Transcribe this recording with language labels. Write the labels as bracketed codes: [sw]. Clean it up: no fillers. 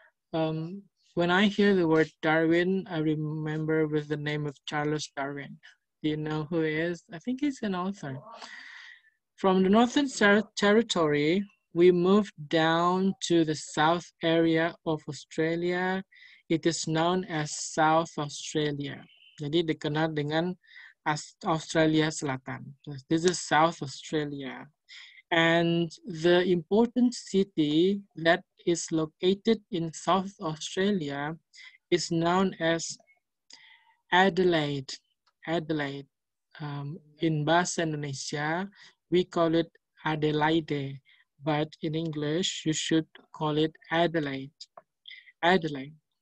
[en] When I hear the word Darwin, I remember with the name of Charles Darwin. Do you know who he is? I think he's an author. From the Northern Territory, we move down to the south area of Australia. It is known as South Australia. [id] Jadi dikenal dengan Australia Selatan. [en] This is South Australia. And the important city that is located in South Australia is known as Adelaide. Adelaide, in Bahasa Indonesia, we call it Adelaide, but in English, you should call it Adelaide. Adelaide.